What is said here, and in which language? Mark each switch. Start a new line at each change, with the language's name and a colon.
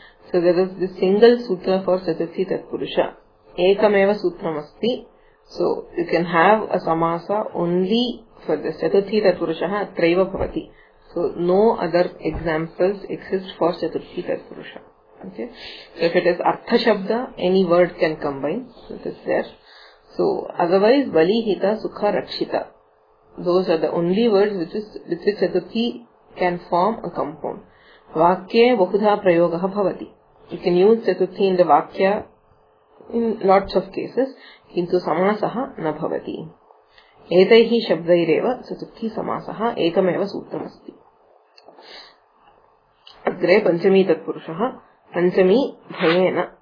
English: So there is the single sutra for Chaturthi Tatpurusha.
Sanskrit: Ekameva sutram asti.
English: So you can have a samasa only for the Chaturthi Tatpurusha
Sanskrit: Traiva Bhavati.
English: So no other examples exist for Chaturthi Tatpurusha. Okay. So if it is Artha Shabda, any word can combine. So it is there. So otherwise Bali Hita Sukha Rakshita. Those are the only words which Chaturthi can form a compound.
Sanskrit: वाक्ये बहुधा प्रयोगः भवति
English: you can use चतुर्थी in the वाक्य in lots of cases
Sanskrit: किन्तु समासः न भवति एतैः शब्दैरेव चतुर्थी समासः एकमेव सूत्रमस्ति अग्रे पञ्चमी तत्पुरुषः पञ्चमी भयेन